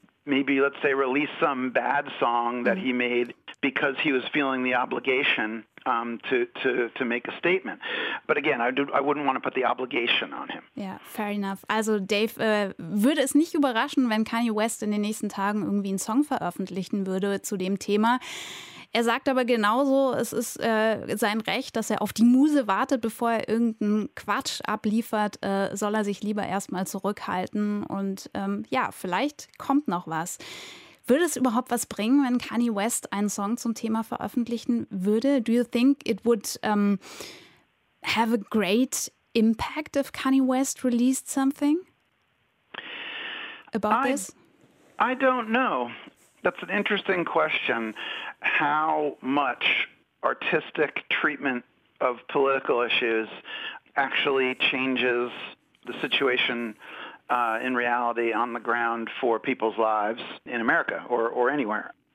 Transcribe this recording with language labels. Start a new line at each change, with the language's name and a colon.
English: maybe, let's say, release some bad song that he made because he was feeling the obligation to make a statement. But again, I wouldn't want to put the obligation on him. Yeah, fair enough.
German: Also Dave, würde es nicht überraschen, wenn Kanye West in den nächsten Tagen irgendwie einen Song veröffentlichen würde zu dem Thema. Er sagt aber genauso, es ist sein Recht, dass er auf die Muse wartet, bevor er irgendeinen Quatsch abliefert, soll er sich lieber erstmal zurückhalten. Und ja, vielleicht kommt noch was. Würde es überhaupt was bringen, wenn Kanye West einen Song zum Thema veröffentlichen würde?
English: Do you think it would have a great impact if Kanye West released something about this? I don't know. That's an interesting question. How much artistic treatment of political issues actually changes the situation in reality on the ground for people's lives in America or anywhere.